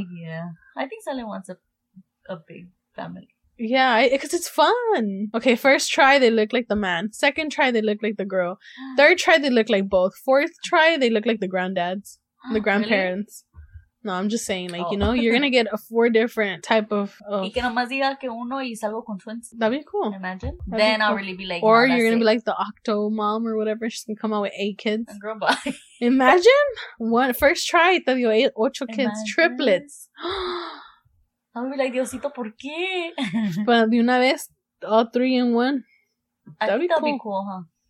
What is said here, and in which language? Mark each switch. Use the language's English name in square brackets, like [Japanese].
[English] Like, yeah. I think Celia wants a big family. Yeah, because it's fun. Okay, first try, they look like the man. Second try, they look like the girl. Third try, they look like both. Fourth try, they look like the granddads, the grandparents. Really? No, I'm just saying, like, You know, you're going to get a four different type of... [Spanish] Y que nomás diga que uno y salgo con twins. [English] That'd be cool. Imagine. That'd then cool. I'll really be like... Or no, you're going to be like the octo mom or whatever. She's going to come out with eight kids. And girl, bye. Imagine. One, first try, [Spanish] te dio ocho [English] kids, imagine. Triplets. I'm gonna be like, Diosito, [Spanish] ¿por qué? [English] But [Spanish] de una vez, [English] all three in one. That'd be cool, huh?